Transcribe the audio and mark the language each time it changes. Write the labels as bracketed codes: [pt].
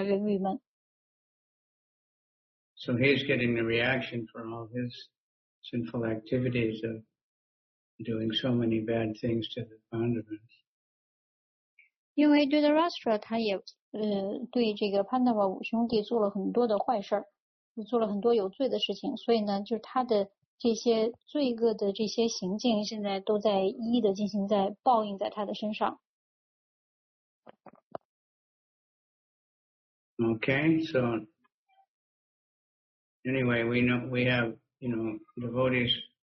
[zh] 那对着Rashra，他也就越来越明白，他的儿子是完全没有希望的，所以他越来越沮丧，越来越郁闷。So [en] he's getting the reaction for all his sinful activities of doing so many bad things to the Pandavas. [zh] 因为对着Rashra，他也对这个Pandava五兄弟做了很多的坏事。做了很多有罪的事情，所以呢，就是他的这些罪恶的这些行径，现在都在一一的进行在报应在他的身上。Okay, [en] so anyway, we know we have, you know, devotees.